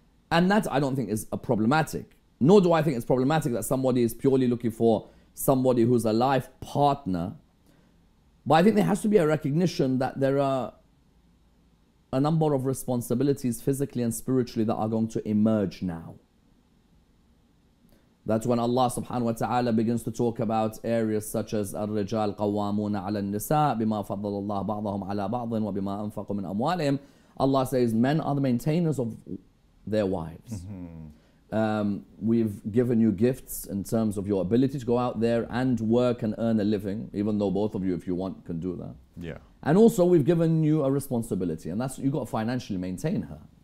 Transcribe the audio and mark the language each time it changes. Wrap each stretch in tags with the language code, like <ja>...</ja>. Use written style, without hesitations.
<en>And that, I don't think, is a problematic. Nor do I think it's problematic that somebody is purely looking for somebody who's a life partner. But I think there has to be a recognition that there are a number of responsibilities physically and spiritually that are going to emerge now. That's when Allah subhanahu wa ta'ala begins to talk about areas such as</en> <ar>الرجال قوامون على النساء بما فضل الله بعضهم على بعض وبما أنفقوا من أموالهم.</ar> <en>Allah says men are the maintainers of their wives. We've given you gifts in terms of your ability to go out there and work and earn a living, even though both of you, if you want, can do that. Yeah. And also we've given you a responsibility, and that's, you've got to financially maintain her.</en>